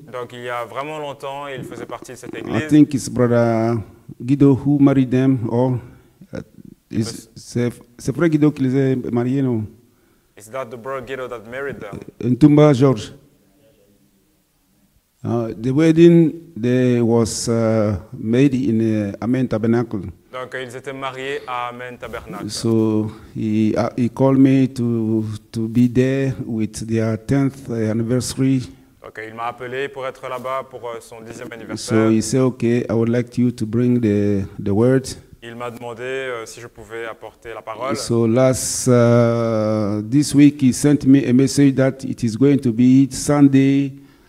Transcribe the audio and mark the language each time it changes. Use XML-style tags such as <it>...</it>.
<fr>Donc il y a vraiment longtemps, il faisait partie de cette église.</fr> <en>I think it's brother Guido who married them or is</en> <fr>c'est frère Guido qui les a mariés, non?</fr> <en>It's not the broad ghetto that married them. Ntumba George. The wedding they was made in Amen Tabernacle.</en> <fr>Donc ils étaient mariés à Amen Tabernacle.</fr> <en>So he called me to be there with their 10th anniversary.</en> <fr>Donc il m'a appelé pour être là-bas pour son 10e anniversaire.</fr> <en>So he said, okay, I would like you to bring the word.</en> <fr>Il m'a demandé si je pouvais apporter la parole.</fr> <en>So last this week he sent me a message that it is going to be Sunday.</en>